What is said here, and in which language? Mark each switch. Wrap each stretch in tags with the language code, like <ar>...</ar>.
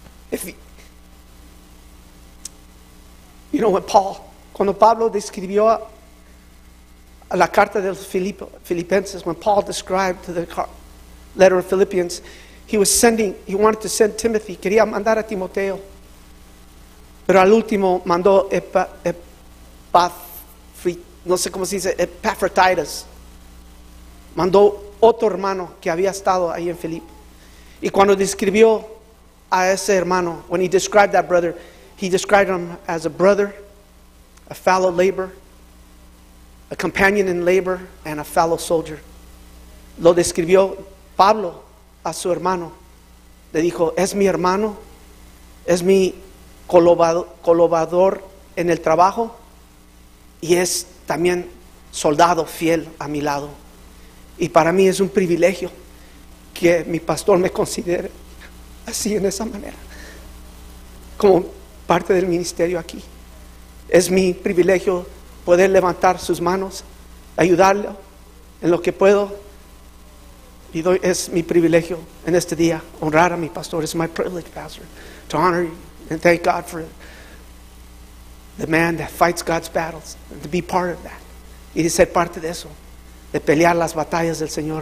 <en>You know what Paul,</en> <es>cuando Pablo describió a la carta de los Filipenses,</es> <en>when Paul described the letter of Philippians, he wanted to send Timothy,</en> <es>quería mandar a Timoteo, pero al último mandó Epaphroditus, mandó otro hermano que había estado ahí en Filipo. Y cuando describió a ese hermano,</es> <en>when he described that brother, he described him as a brother, a fellow laborer, a companion in labor, and a fellow soldier.</en> <es>Lo describió Pablo a su hermano. Le dijo, es mi hermano, es mi colaborador en el trabajo, y es también soldado fiel a mi lado. Y para mí es un privilegio que mi pastor me considere así, en esa manera, como parte del ministerio aquí. Es mi privilegio poder levantar sus manos, ayudarlo en lo que puedo. Y doy, es mi privilegio en este día honrar a mi pastor.</es> <en>It's my privilege, Pastor, to honor you and thank God for the man that fights God's battles, and to be part of that.</en> <es>Y de ser parte de eso, de pelear las batallas del Señor.</es>